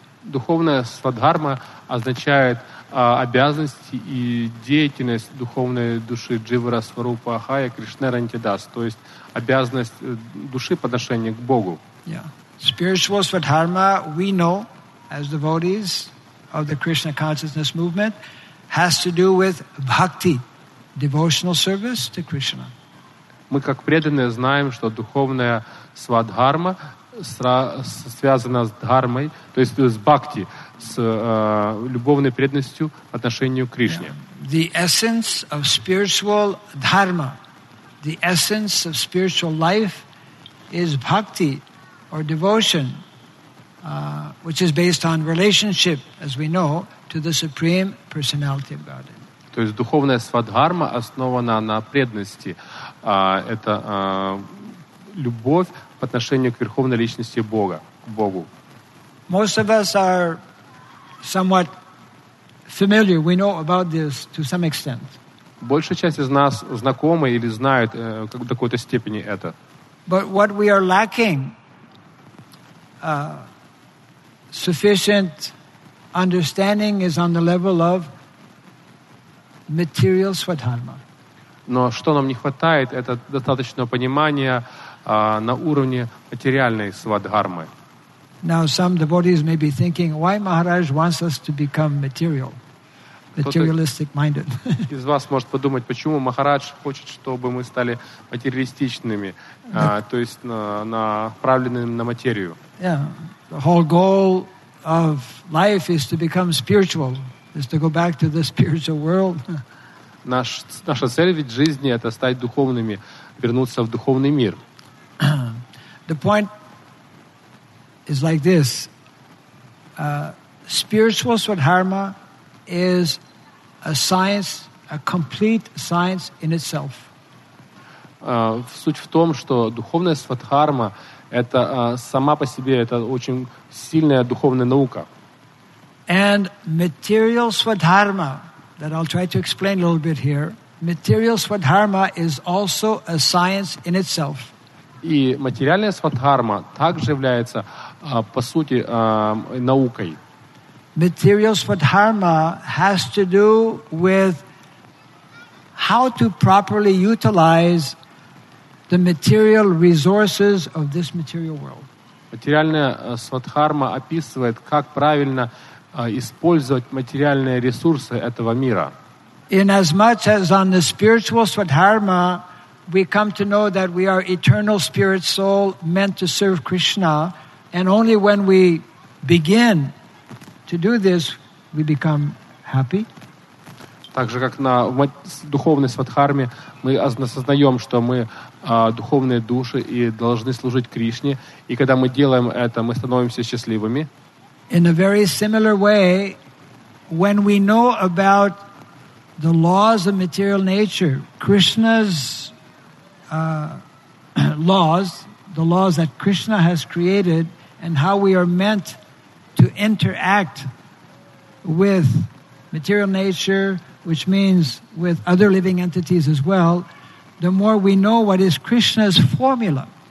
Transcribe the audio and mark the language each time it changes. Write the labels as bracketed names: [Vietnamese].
[Russian] Духовная свадхарма означает обязанности и деятельность духовной души Дживара Сварупа Ахая Кришнера Нитидас, то есть обязанность души по отношению к Богу. [English] Yeah. Spiritual Svadharma, we know, as devotees of the Krishna Consciousness Movement, has to do with bhakti, devotional service to Krishna. [Russian] Мы, как преданные, знаем, что духовная свадхарма связана с дхармой, то есть с бхакти, с любовной преданностью отношению к Кришне. [English] Yeah. The essence of spiritual dharma, the essence of spiritual life is bhakti or devotion, which is based on relationship, as we know, to the Supreme Personality of Godhead. [Russian] То есть духовная свадхарма основана на преданности. Это любовь по отношению к Верховной Личности Бога, к Богу. [English] Most of us are somewhat familiar, we know about this to some extent. [Russian] Большая часть из нас знакомы или знают как до какой-то степени это. [English] But what we are lacking sufficient understanding is on the level of material swadharma. [Russian] Но что нам не хватает, это достаточного понимания на уровне материальной свадхармы. [English] Now some devotees may be thinking, why Maharaj wants us to become material, materialistic minded. [Russian] Из вас может подумать, почему Махарадж хочет, чтобы мы стали материалистичными, то есть направленными на материю. [English] Yeah, the whole goal of life is to become spiritual, is to go back to the spiritual world. [Russian] Наша цель ведь жизни это стать духовными, вернуться в духовный мир. [English] The point is like this. Spiritual swadharma is a science, a complete science in itself. [Russian] Суть в том, что духовная свадхарма это сама по себе это очень сильная духовная наука. [English] And material swadharma that I'll try to explain a little bit here. Material swadharma is also a science in itself. [Russian] И материальная свадхарма также является по сути, наукой. [English] Material Svadharma has to do with how to properly utilize the material resources of this material world. [Russian] Материальная Свадхарма описывает, как правильно использовать материальные ресурсы этого мира. [English] In as much as on the spiritual Svadharma, we come to know that we are eternal spirit soul meant to serve Krishna. And only when we begin to do this, we become happy. [Russian] Так же, как на духовной свадхарме, мы осознаем, что мы духовные души и должны служить Кришне. И когда мы делаем это, мы становимся счастливыми. [English] In a very similar way, when we know about the laws of material nature, Krishna's laws, the laws that Krishna has created, and how we are meant to interact with material nature, which means with other living entities as well, the more we know what is Krishna's formula.